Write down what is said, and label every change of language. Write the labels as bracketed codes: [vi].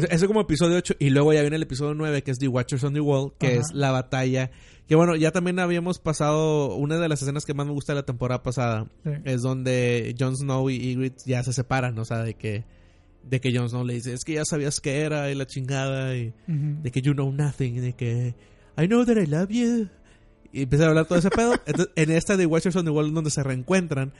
[es] Eso como episodio 8, y luego ya viene el episodio 9, que es The Watchers on the Wall, que ajá. Es la batalla. Que bueno, ya también habíamos pasado, una de las escenas que más me gusta de la temporada pasada, sí. Es donde Jon Snow y Ygritte ya se separan, o sea, de que Jon Snow le dice, es que ya sabías qué era, y la chingada, y uh-huh. De que [en] you know nothing, [es] de que, [en] I know that I love you. [es] Y empiezan a hablar todo ese pedo. Entonces, en esta de Watchers on the Wall es donde se reencuentran.